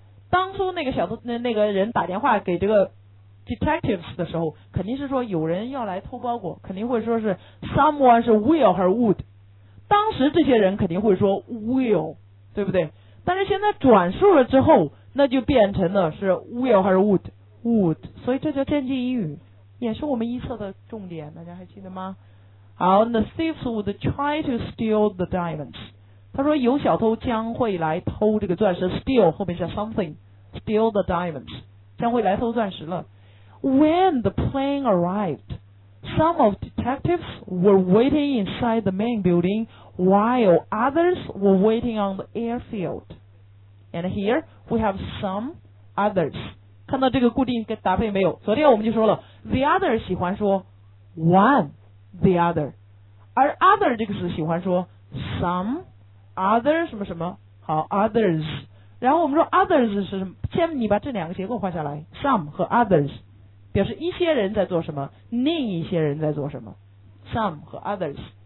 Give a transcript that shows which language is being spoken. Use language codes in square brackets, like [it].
[zh] 当初那个小偷 那个人打电话给这个 detectives 的时候，肯定是说有人要来偷包裹，肯定会说是 someone 是 will 和 would， 当时这些人肯定会说 will， 对不对？但是现在转述了之后，那就变成了是 will 和 would， 所以这叫间接引语，也是我们一测的重点，大家还记得吗？ [en] 好， the thieves would try to steal the diamonds， [zh] 他说有小偷将会来偷这个钻石， [en] steal [zh] 后面是 [en] something， steal the diamonds [zh] 将会来偷钻石了。 [en] when the plane arrived， Some of detectives were waiting inside the main building while others were waiting on the airfield. And here we have some others. [zh] 看到这个固定跟搭配没有？昨天我们就说了 [en] the other [zh] 喜欢说 one [en] the other， [zh] 而 other 这个词喜欢说 [en] some other [zh] 什么什么，好 others。然后我们说 others 是什么，先你把这两个结构画下来， some 和 others 表示一些人在做什么，另一些人在做什么， some 和 others。